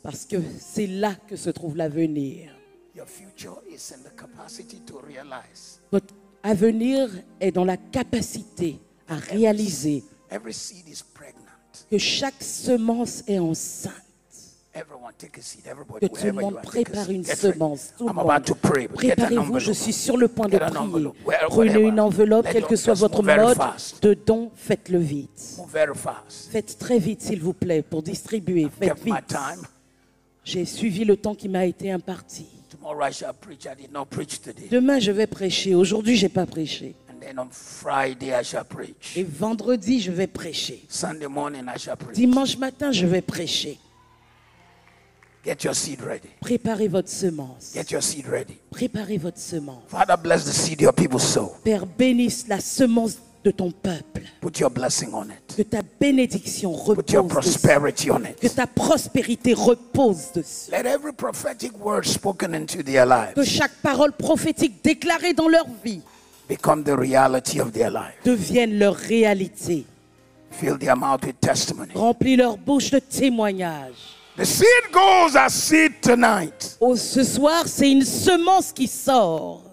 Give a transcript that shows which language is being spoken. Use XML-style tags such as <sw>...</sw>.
<fr>Parce que c'est là que se trouve l'avenir.</fr> <en>Your future is in the capacity to realize.</en> <fr>Votre avenir est dans la capacité à réaliser.</fr> <en>Every seed is pregnant.</en> <fr>Que chaque semence est enceinte.</fr> <en>Everyone, take a seat. Everybody,</en> <fr>que tout le monde prépare une semence.</fr> <en>I'm about to pray,</en> <fr>préparez-vous, je suis sur le point de prier. Prenez une enveloppe, quel que soit votre mode de don, faites-le vite.</fr> <en>Very fast.</en> <fr>Faites très vite, s'il vous plaît, pour distribuer. Faites vite.</fr> <en>My time.</en> <fr>J'ai suivi le temps qui m'a été imparti.</fr> <en>Tomorrow I shall preach. I did not preach today.</en> <fr>Demain, je vais prêcher. Aujourd'hui, je n'ai pas prêché.</fr> <en>And on Friday I shall preach.</en> <fr>Et vendredi, je vais prêcher.</fr> <en>Sunday morning, I shall preach.</en> <fr>Dimanche matin, je vais prêcher.</fr> <en>Get your seed ready.</en> <fr>Préparez votre semence.</fr> <en>Get your seed ready.</en> <fr>Préparez votre semence.</fr> <en>Father, bless the seed your people sow.</en> <fr>Père, bénisse la semence de ton peuple.</fr> <en>Put your blessing on it.</en> <fr>Que ta bénédiction repose.</fr> <en>Put your prosperity</en> <fr>dessus.</fr> <en>On it.</en> <fr>Que ta prospérité repose dessus.</fr> <en>Let every prophetic word spoken into their lives.</en> <fr>Que chaque parole prophétique déclarée dans leur vie.</fr> <en>Become the reality of their life.</en> <fr>Devienne leur réalité.</fr> <en>Fill their mouth with testimony.</en> <fr>Remplis leur bouche de témoignages.</fr> <en>The seed goes as seed tonight.</en> <fr>Oh, ce soir, c'est une semence qui sort.</fr>